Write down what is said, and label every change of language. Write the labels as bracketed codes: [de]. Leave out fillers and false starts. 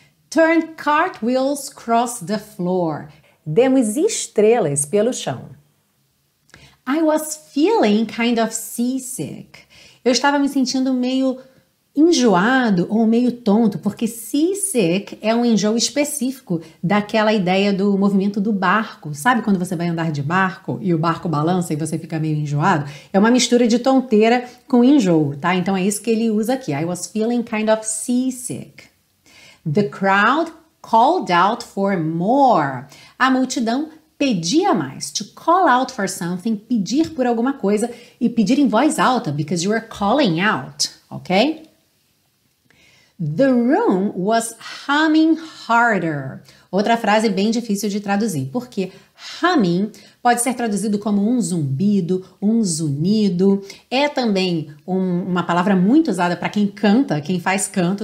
[en] Turn cartwheels across the floor. [pt] Demos estrelas pelo chão. [en] I was feeling kind of seasick. [pt] Eu estava me sentindo meio enjoado ou meio tonto, porque seasick é um enjoo específico daquela ideia do movimento do barco. Sabe quando você vai andar de barco e o barco balança e você fica meio enjoado? É uma mistura de tonteira com enjoo, tá? Então é isso que ele usa aqui. [en] I was feeling kind of seasick. The crowd called out for more. [pt] A multidão pedia mais. [en] To call out for something, [pt] pedir por alguma coisa e pedir em voz alta, [en] because you are calling out, ok? The room was humming harder. [pt] Outra frase bem difícil de traduzir, porque humming pode ser traduzido como um zumbido, um zunido. É também uma palavra muito usada para quem canta, quem faz canto.